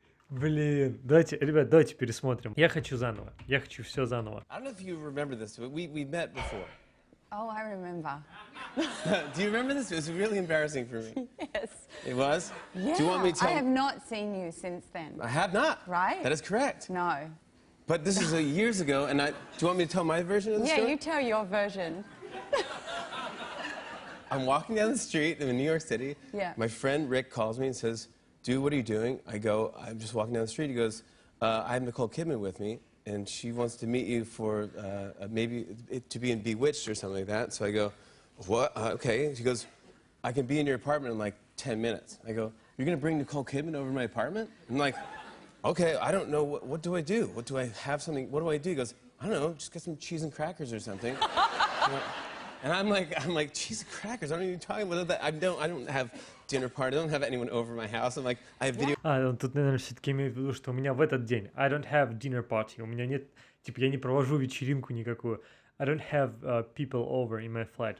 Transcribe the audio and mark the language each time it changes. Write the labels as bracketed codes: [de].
[ru] Блин, давайте, ребят, давайте пересмотрим. Я хочу заново. Я хочу все заново. [en] I don't know if you remember this, but we met before. Oh, I remember. Do you remember this? It was really embarrassing for me. Yes. It was? Yeah. Do you want me to tell I have not seen you since then. I have not. Right? That is correct. No. But this is years ago, and do you want me to tell my version of the story? Yeah, you tell your version. I'm walking down the street in New York City. Yeah. My friend Rick calls me and says, dude, what are you doing? I go, I'm just walking down the street. He goes, I have Nicole Kidman with me, and she wants to meet you for maybe to be in Bewitched or something like that. So I go, what? Okay. She goes, I can be in your apartment in like 10 minutes. I go, you're going to bring Nicole Kidman over to my apartment? I'm like, okay, I don't know. What do I do? What do I have something? What do I do? He goes, I don't know. Just get some cheese and crackers or something. And I'm like, cheese and crackers. I don't even talking about that. I don't have dinner party. I don't have anyone over my house. I'm like, I have video. [ru] Он тут, наверное, все-таки имеет в виду, что у меня в этот день. [en] I don't have dinner party. [ru] У меня нет, типа, я не провожу вечеринку никакую. [en] I don't have people over in my flat.